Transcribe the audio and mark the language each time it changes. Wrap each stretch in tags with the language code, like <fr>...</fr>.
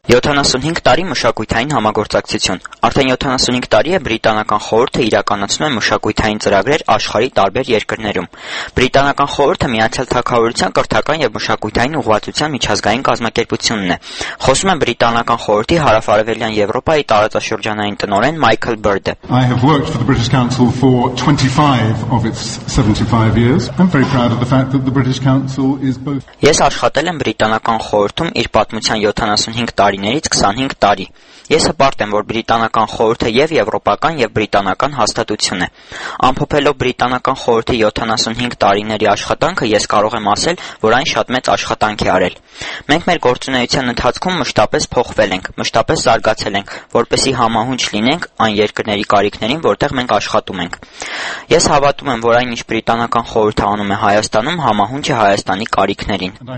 <hy>տարի մշակութային համագործակցություն։ Արդեն 75 տարի է բրիտանական խորհուրդը իրականացնում է մշակութային ծրագրեր աշխարի տարբեր երկրներում։ Բրիտանական խորհուրդը Միացյալ Թագավորության կրթական եւ մշակութային ուղղվածության միջազգային կազմակերպությունն է։ Խոսում է բրիտանական խորհրդի հարավարևելյան Եվրոպայի տարածաշրջանային տնօրեն Մայքլ Բերդը։</hy> <en>I have worked for the British Council for 25 of its 75 years. I'm very proud of the fact that the British Council is both</en> <hy>Ես աշխատել եմ բրիտանական խորհրդում իր պատմության 75 տարիներից 25 տարի։ Ես հպարտ եմ, որ բրիտանական խորհուրդը եւ եվրոպական եւ բրիտանական հաստատություն է։ Ամփոփելով բրիտանական խորհրդի 75 տարիների աշխատանքը, ես կարող եմ ասել, որ այն շատ մեծ աշխատանք է արել։ Մենք մեր գործունեության ընթացքում մշտապես փոխվել ենք, մշտապես զարգացել ենք, որպեսզի համահունչ լինենք այն երկրների կարիքներին, որտեղ մենք աշխատում ենք։ Ես հավատում եմ, որ այն, ինչ բրիտանական խորհուրդը անում է Հայաստանում, համահունչ է Հայաստանի կարիքներին։</hy>